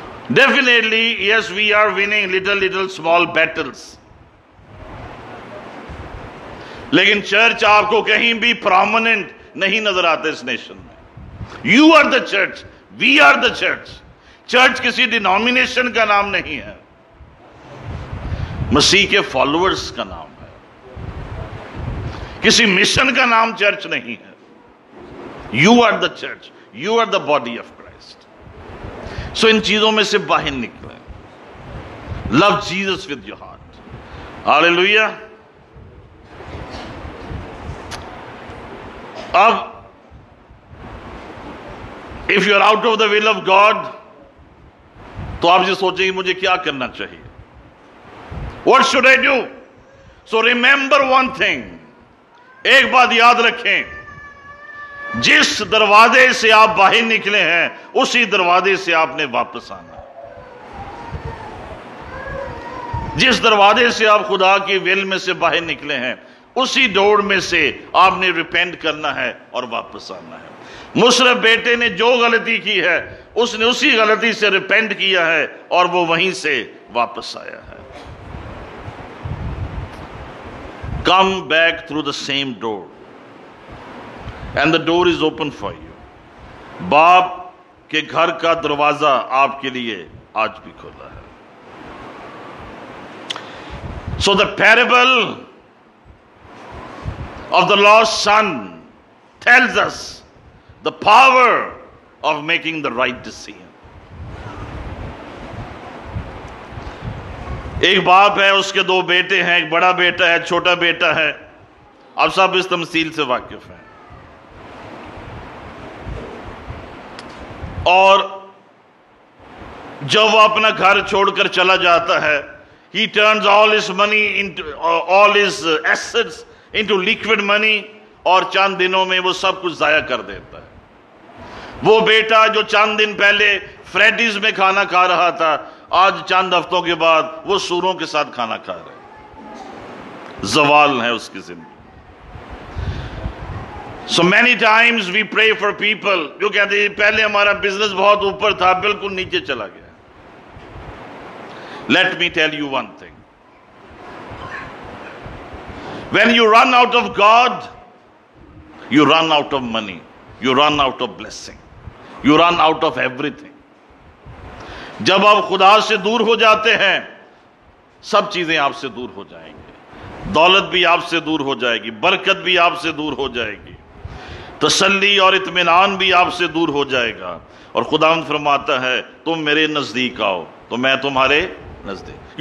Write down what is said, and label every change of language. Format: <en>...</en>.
<en>definitely yes we are winning little little small battles,</en> <ur>لیکن church آپ کو کہیں بھی پرومیننٹ نہیں نظر آتے اس نیشن میں.</ur> <en>You are the church, we are the church.</en> <ur>Church کسی ڈینومینیشن کا نام نہیں ہے, مسیح کے فالوورز کا نام ہے. کسی مشن کا نام چرچ نہیں ہے.</ur> <en>You are the church, you are the body of Christ. So</en> <ur>ان چیزوں میں سے باہر نکلیں.</ur> <en>Love Jesus with your heart. Hallelujah. اب if you are out of the will of God</en> <ur>تو آپ یہ سوچیں گے مجھے کیا کرنا چاہیے,</ur> <en>What should I do. So remember one thing,</en> <ur>ایک بات یاد رکھیں, جس دروازے سے آپ باہر نکلے ہیں اسی دروازے سے آپ نے واپس آنا. جس دروازے سے آپ خدا کی ول میں سے باہر نکلے ہیں اسی ڈور میں سے آپ نے ریپینٹ کرنا ہے اور واپس آنا ہے. مصرف بیٹے نے جو غلطی کی ہے اس نے اسی غلطی سے ریپینٹ کیا ہے اور وہ وہیں سے واپس آیا ہے.</ur> <en>Come back through the same door and the door is open for you.</en> <ur>باپ کے گھر کا دروازہ آپ کے لیے آج بھی کھلا ہے.</ur> <en>So the parable of the lost son tells us the power of making the right decision.</en> <ur>ایک باپ ہے, اس کے دو بیٹے ہیں, ایک بڑا بیٹا ہے, چھوٹا بیٹا ہے. آپ سب اس تمثیل سے واقف ہیں. اور جب وہ اپنا گھر چھوڑ کر چلا جاتا ہے,</ur> <en>he turns all his money into all his assets into liquid money,</en> <ur>اور چند دنوں میں وہ سب کچھ ضائع کر دیتا ہے. وہ بیٹا جو چند دن پہلے فریڈیز میں کھانا کھا رہا تھا, آج چند ہفتوں کے بعد وہ سوروں کے ساتھ کھانا کھا رہا ہے. زوال ہے اس کی زندگی.</ur> <en>so many times we pray for people,</en> <ur>جو کہتے ہیں پہلے ہمارا بزنس بہت اوپر تھا, بالکل نیچے چلا گیا.</ur> <en>Let me tell you one thing, when you run out of God, you run out of money, you run out of blessing, you run out of everything.</en> <ur>جب آپ خدا سے دور ہو جاتے ہیں سب چیزیں آپ سے دور ہو جائیں گے. دولت بھی آپ سے دور ہو جائے گی, برکت بھی آپ سے دور ہو جائے گی, تسلی اور اطمینان بھی آپ سے دور ہو جائے گا. اور خداوند فرماتا ہے تم میرے نزدیک آؤ تو میں تمہارے نزدیک.</ur>